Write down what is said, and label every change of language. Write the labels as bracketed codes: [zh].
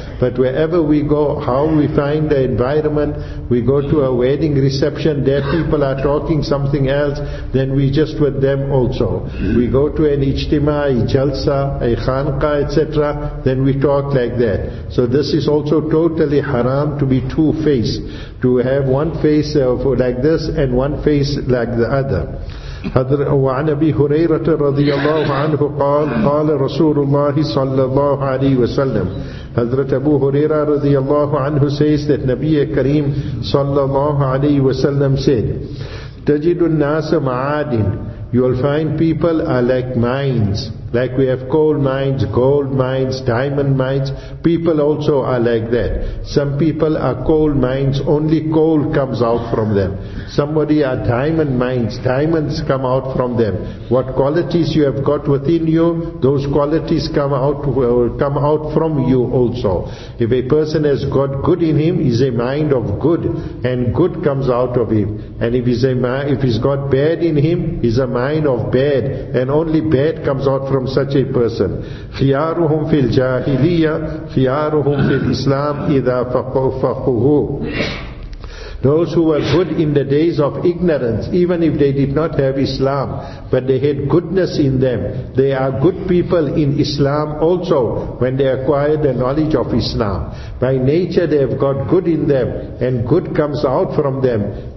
[en] But wherever we go, how we find the environment, we go to a wedding reception, there people are talking something else, then we just with them also. We go to an ijtima, a jalsa, a khanqa, etc., then we talk like that. So this is also totally haram, to be too face, to have one face like this and one face like the other. [ar] وعن أبي هريرة رضي الله عنه قال قال رسول الله صلى الله عليه وسلم. [en] Hazrat Abu Huraira [ar] رضي الله عنه [en] says that [ar] نبي كريم صلى الله عليه وسلم [en] said, [ar] تجد الناس معادن. [en] You will find people are like mines. Like we have coal mines, gold mines, diamond mines. People also are like that. Some people are coal mines, only coal comes out from them. Somebody are diamond mines, diamonds come out from them. What qualities you have got within you, those qualities come out from you also. If a person has got good in him, he's a mind of good, and good comes out of him. And if he's got bad in him, he's a mind of bad, and only bad comes out from such a person. [ar] خيارهم في الجاهلية خيارهم في الإسلام إذا فقهوا. [en] Those who were good in the days of ignorance, even if they did not have Islam, but they had goodness in them, they are good people in Islam also when they acquire the knowledge of Islam. By nature they have got good in them, and good comes out from them.